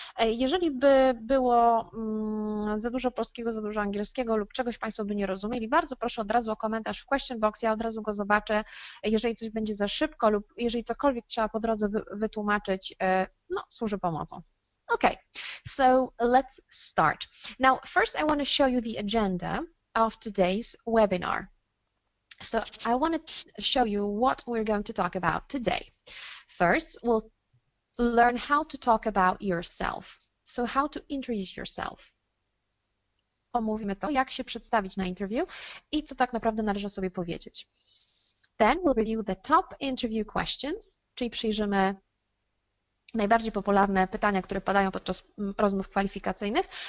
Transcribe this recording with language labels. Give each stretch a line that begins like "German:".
Polish: Jeżeli by było za dużo polskiego, za dużo angielskiego lub czegoś Państwo by nie rozumieli, bardzo proszę od razu o komentarz w question box, ja od razu go zobaczę. Jeżeli coś będzie za szybko lub jeżeli cokolwiek trzeba po drodze wytłumaczyć, no, służy pomocą.
English: Okay, so let's start. Now, first I want to show you the agenda of today's webinar. So I want to show you what we're going to talk about today. First, we'll learn how to talk about yourself. So how to introduce yourself.
Polish: Omówimy to, jak się przedstawić na interview i co tak naprawdę należy sobie powiedzieć.
English: Then we'll review the top interview questions,
Polish: czyli przyjrzymy najbardziej popularne pytania, które padają podczas rozmów kwalifikacyjnych.